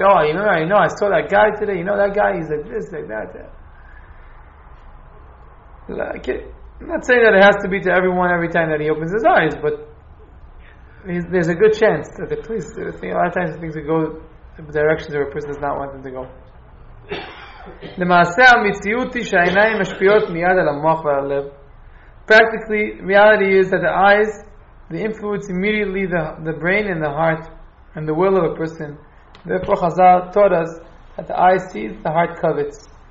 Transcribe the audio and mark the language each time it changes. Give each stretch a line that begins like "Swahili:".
English: Oh, you know, I know, I saw that guy today. You know that guy, he's like this, like that. Like, I'm not saying that it has to be to everyone every time that he opens his eyes, but there's a good chance that the police, a lot of times things go in directions where a person does not want them to go.
Hebrew: למעשה המציאות היא שהעיניים משפיעות מיד על המוח והלב.
English: Practically, reality is that the eyes, they influence immediately the brain and the heart and the will of a person. Therefore, Chazal taught us that the eye sees, the heart covets.